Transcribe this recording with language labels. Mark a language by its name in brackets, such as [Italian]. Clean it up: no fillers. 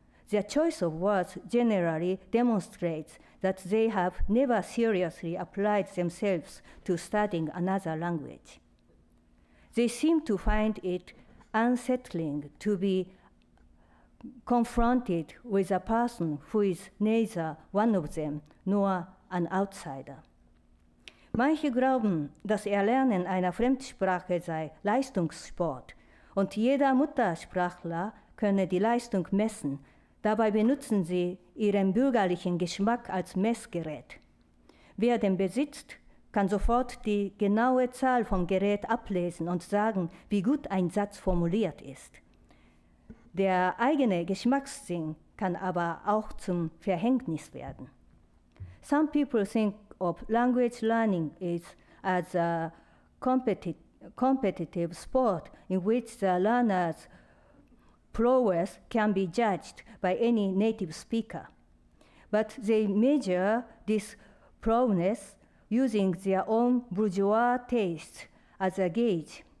[English] Their choice of words generally demonstrates that they have never seriously applied themselves to studying another language. They seem to find it unsettling to be confronted with a person who is neither one of them nor an outsider. [German] Manche glauben, das Erlernen einer Fremdsprache sei Leistungssport und jeder Muttersprachler könne die Leistung messen. Dabei benutzen sie ihren bürgerlichen Geschmack als Messgerät. Wer den besitzt, kann sofort die genaue Zahl vom Gerät ablesen und sagen, wie gut ein Satz formuliert ist. Der eigene Geschmackssinn kann aber auch zum Verhängnis werden. [English] Some people think of language learning is as a competitive sport in which the learners prowess can be judged by any native speaker. But they measure this prowess using their own bourgeois tastes as a gauge.